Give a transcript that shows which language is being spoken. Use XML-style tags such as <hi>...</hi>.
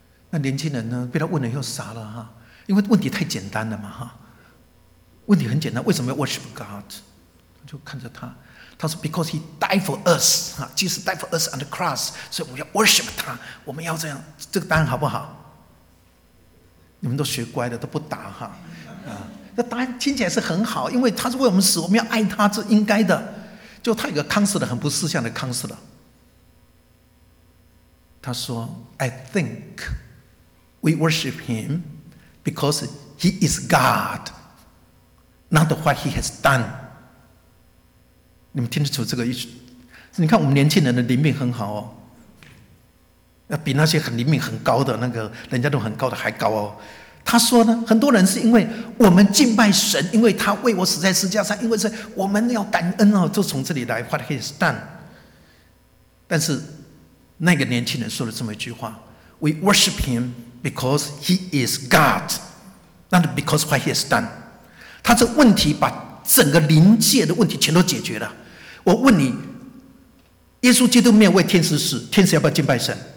<zh>那年轻人呢，被他问了又傻了哈，因为问题太简单了嘛哈，问题很简单，为什么要</zh> <en>worship God？</en> <zh>就看着他说</zh> <en>Because He died for us，</en> <zh>哈，</zh> <en>Jesus died for us on the cross，</en> <zh>所以我们要 worship 他，我们要这样，这个答案好不好？你们都学乖的都不答哈，啊，那答案听起来是很好，因为他是为我们死，我们要爱他，这应该的。就他有个</zh> <en>counselor</en> <zh>很不识相的</zh> <en>counselor，</en> <zh>他说</zh> <en>I thinkWe worship him because he is God, not what he has done.</en> <zh>你们听得出这个意思？你看我们年轻人的灵命很好哦，比那些很灵命很高的那个人家都很高的还高哦。他说呢，很多人是因为我们敬拜神，因为他为我死在十字架上，因为是我们要感恩哦，就从这里来</zh> <en>what he has done.</en> <zh>但是那个年轻人说了这么一句话 ：</zh> <en>We worship him. Because he is God, not because what he has done.</en> <zh>他这问题把整个灵界的问题全都解决了。我问你，耶稣基督没有为天使死，天使要不要敬拜神？</zh>